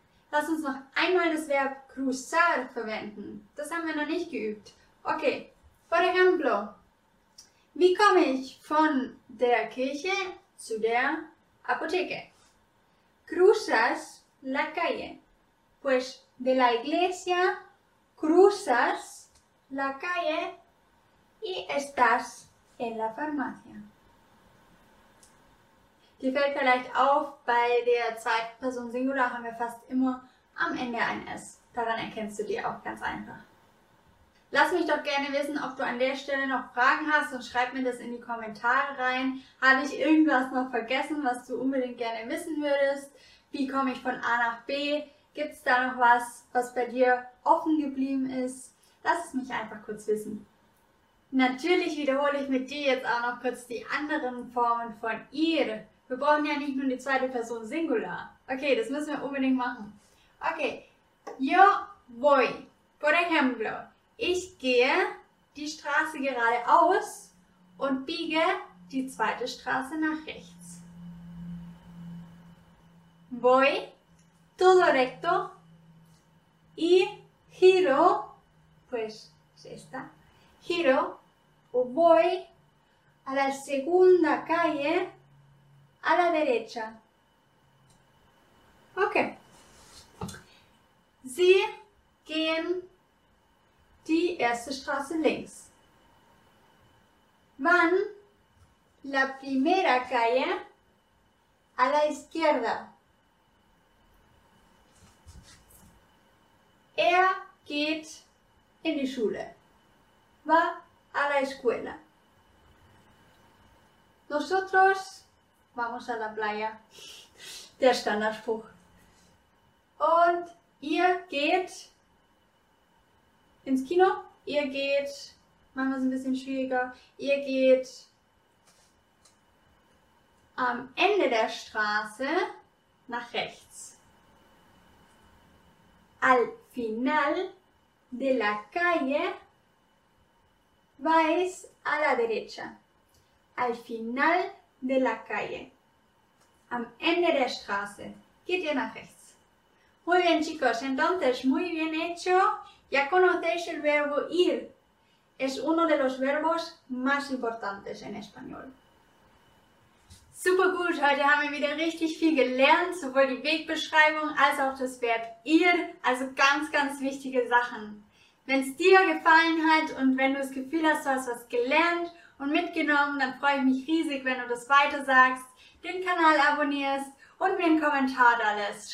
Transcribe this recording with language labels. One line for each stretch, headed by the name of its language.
German: Lass uns noch einmal das Verb cruzar verwenden. Das haben wir noch nicht geübt. Okay.
Spanish: Por ejemplo,
German: wie komme ich von der Kirche zu der Apotheke?
Spanish: Cruzas la calle. Pues de la iglesia cruzas la calle y estás en la farmacia.
German: Dir fällt vielleicht auf, bei der zweiten Person Singular haben wir fast immer am Ende ein S. Daran erkennst du die auch ganz einfach. Lass mich doch gerne wissen, ob du an der Stelle noch Fragen hast und schreib mir das in die Kommentare rein. Habe ich irgendwas noch vergessen, was du unbedingt gerne wissen würdest? Wie komme ich von A nach B? Gibt es da noch was, was bei dir offen geblieben ist? Lass es mich einfach kurz wissen. Natürlich wiederhole ich mit dir jetzt auch noch kurz die anderen Formen von ihr. Wir brauchen ja nicht nur die zweite Person Singular. Okay, das müssen wir unbedingt machen. Okay,
Spanish: yo voy, por ejemplo,
German: ich gehe die Straße geradeaus und biege die zweite Straße nach rechts.
Spanish: Voy todo recto y giro, pues es esta, giro o voy a la segunda calle a la derecha. Okay.
German: Sie gehen die erste Straße links.
Spanish: Van la primera calle a la izquierda.
German: Er geht in die Schule.
Spanish: Va a la escuela. Nosotros vamos a la playa.
German: Der Standardspruch. Und ihr geht ins Kino, ihr geht, machen wir es ein bisschen schwieriger, ihr geht am Ende der Straße nach rechts.
Spanish: Al final de la calle vais a la derecha. Al final de la calle.
German: Am Ende der Straße geht ihr nach rechts.
Spanish: Muy bien, chicos. Entonces, muy bien hecho. Ya conocéis el verbo ir. Es uno de los verbos más importantes en español.
German: Super gut. Heute haben wir wieder richtig viel gelernt. Sowohl die Wegbeschreibung als auch das Verb ir. Also ganz, ganz wichtige Sachen. Wenn es dir gefallen hat und wenn du das Gefühl hast, du hast was gelernt und mitgenommen, dann freue ich mich riesig, wenn du das weiter sagst, den Kanal abonnierst und mir einen Kommentar da lässt.